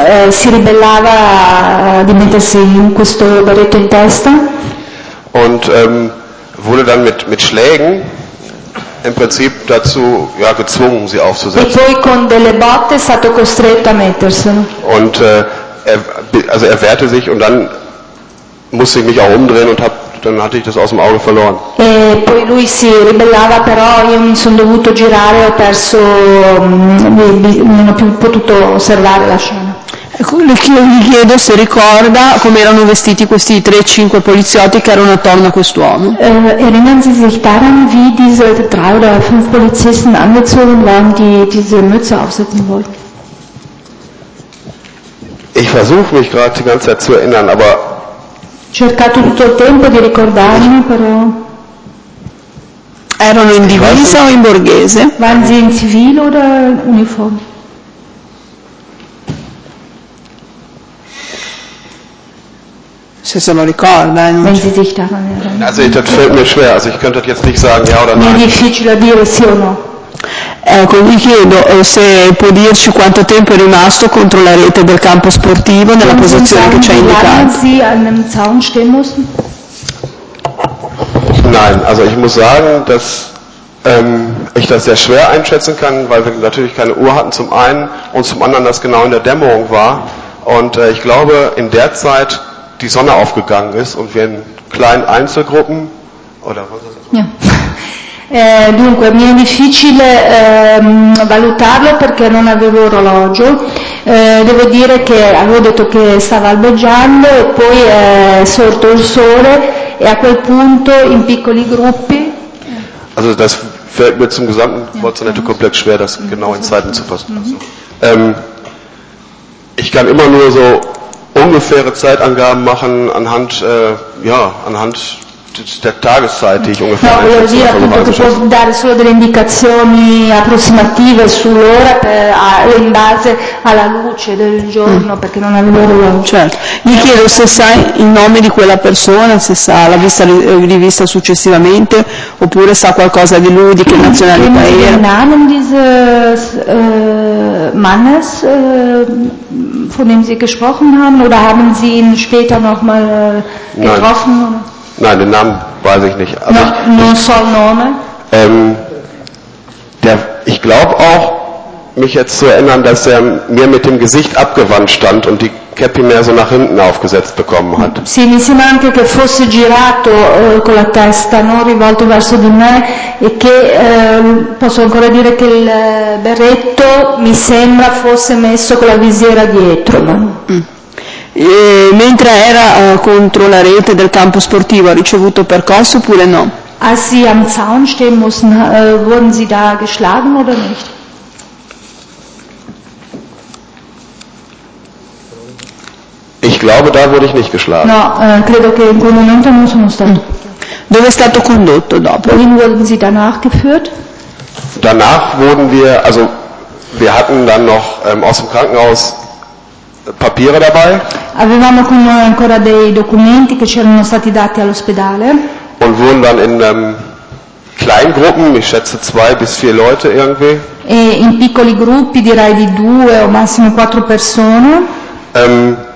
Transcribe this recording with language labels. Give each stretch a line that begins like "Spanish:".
Italian: Si ribellava di mettersi questo berretto in testa.
German: Und wurde dann mit Schlägen im Prinzip dazu, ja, gezwungen, sie aufzusetzen.
Italian: E poi con delle botte è stato costretto a mettersi.
German: Und er wehrte sich und dann musste ich mich auch umdrehen und dann hatte ich das aus dem Auge verloren.
Italian: E poi lui si ribellava, però io mi sono dovuto girare, ho perso, non ho più potuto osservare la scena. Ecco, gli chiedo se ricorda come erano vestiti questi 3-5 poliziotti che erano attorno a quest'uomo.
German: Erinnern Sie sich daran, wie diese 3 oder 5 Polizisten angezogen waren, die diese Mütze aufsetzen wollten? Ich versuche mich gerade die ganze Zeit zu erinnern, aber
Italian: cercato tutto il tempo di ricordarmi, però erano in divisa o in borghese?
German: Waren sie in civile oder uniform?
Italian: se se lo ricorda,
German: wenn sie sich daran erinnern. Also das fällt mir schwer, also ich könnte jetzt nicht sagen ja oder nein.
Italian: È difficile dire sì o no. Ecco, gli chiedo se può dirci quanto tempo è rimasto contro la rete del campo sportivo nella posizione che ci ha indicato.
German: Nein, also ich muss sagen, dass ich das sehr schwer einschätzen kann, weil wir natürlich keine Uhr hatten zum einen und zum anderen das genau in der Dämmerung war. Und ich glaube, in der Zeit die Sonne aufgegangen ist und wir in kleinen Einzelgruppen oder was ist das? Ja.
Italian: Dunque, mi è difficile valutarlo perché non avevo orologio. Devo dire che avevo detto che stava albeggiando e poi è sorto il sole e a quel punto in piccoli gruppi.
German: Also das fällt mir zum gesamten Bolzonetto komplett schwer, das genau in Zeiten zu fassen. Ich kann immer nur so ungefähre Zeitangaben machen anhand, anhand der Tageszeit, die ich ungefähr einschätze.
Italian: No, volevo dire appunto che può dare solo delle indicazioni approssimative sull'ora in base alla luce del giorno, perché non avevo orologio. Certo. Gli chiedo se sai il nome di quella persona, se sa l'ha vista rivista successivamente, oppure sa qualcosa di lui, di che nazionalità era. Il
German: Namen dieses Mannes, von dem Sie gesprochen haben, oder haben Sie ihn später nochmal getroffen? Nein. Nein, den Namen weiß ich nicht. Aber
Italian: non so il nome.
German: Ich glaube auch, mich jetzt zu erinnern, dass er mir mit dem Gesicht abgewandt stand und die Cappy mehr so nach hinten aufgesetzt bekommen hat.
Italian: Sì, mi sembra anche che fosse girato con la testa, non rivolto verso di me, e che posso ancora dire che il berretto mi sembra fosse messo con la visiera dietro. Mm. E mentre era contro la rete del campo sportivo ha ricevuto percosse oppure no?
German: Als sie am Zaun stehen mussten, wurden sie da geschlagen oder nicht? Ich glaube, da wurde ich nicht geschlagen.
Italian: No, credo che in quel momento non sono stato. Dove è stato condotto dopo?
German: Wohin wurden sie danach geführt? Danach wurden wir, also wir hatten dann noch aus dem Krankenhaus Papiere dabei.
Italian: Avevamo con noi ancora dei documenti che ci erano stati dati all'ospedale.
German: Und wurden dann in Kleingruppen, ich schätze 2 bis 4 Leute irgendwie.
Italian: E in piccoli gruppi, direi di 2 o massimo 4 persone.